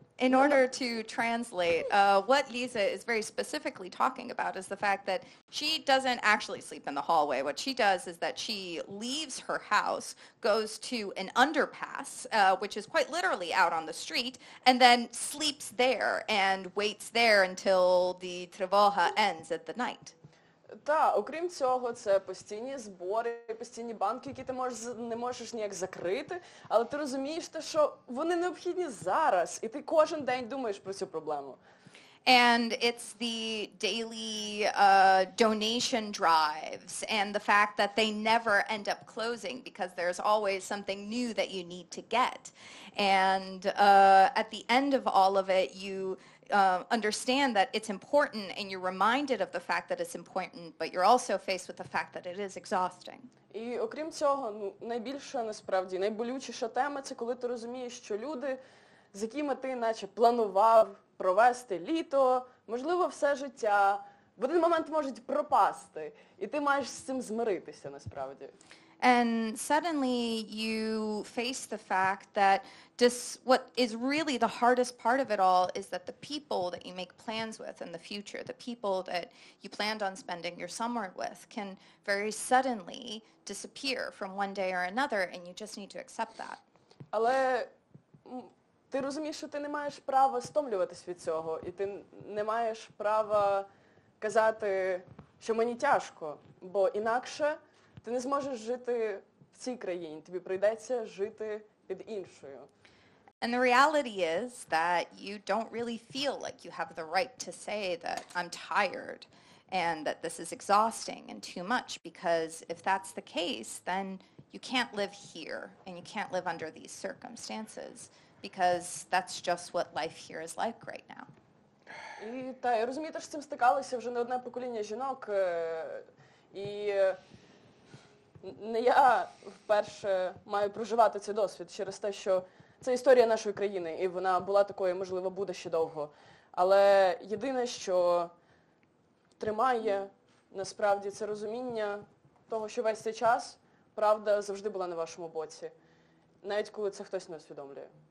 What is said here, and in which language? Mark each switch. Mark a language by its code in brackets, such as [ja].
[en] In order to translate, what Lisa is very specifically talking about is the fact that she doesn't actually sleep in the hallway. What she does is that she leaves her house, goes to an underpass, which is quite literally out on the street, and then sleeps there and waits there until the тривога ends at the night. [uk] Так, окрім цього, це постійні збори, постійні банки, які ти не можеш ніяк закрити, але ти розумієш те, що вони необхідні зараз, і ти кожен день думаєш про цю проблему. [en] And it's the daily donation drives and the fact that they never end up closing because there's always something new that you need to get. And at the end of all of it, you understand that it's important and you're reminded of the fact that it's important, but you're also faced with the fact that it is exhausting. [uk] І окрім цього, найбільша насправді, найболючіша тема – це коли ти розумієш, що люди, з якими ти наче планував провести літо, можливо, все життя, в один момент можуть пропасти, і ти маєш з цим змиритися насправді. [en] And suddenly you face the fact that what is really the hardest part of it all is that the people that you make plans with in the future, the people that you planned on spending your summer with, can very suddenly disappear from one day or another, and you just need to accept that. [uk] Але ти розумієш, що ти не маєш права стомлюватись від цього, і ти не маєш права казати, що мені тяжко, бо інакше ти не зможеш жити в цій країні, тобі прийдеться жити під іншою. [en] And the reality is that you don't really feel like you have the right to say that I'm tired and that this is exhausting and too much, because if that's the case, then you can't live here and you can't live under these circumstances, because that's just what life here is like right now. [uk] І та, я розумію, що з цим стикалося вже не одне покоління жінок, і не я вперше маю проживати цей досвід через те, що це історія нашої країни, і вона була такою, можливо, буде ще довго. Але єдине, що тримає насправді це розуміння того, що весь цей час правда завжди була на вашому боці, навіть коли це хтось не усвідомлює.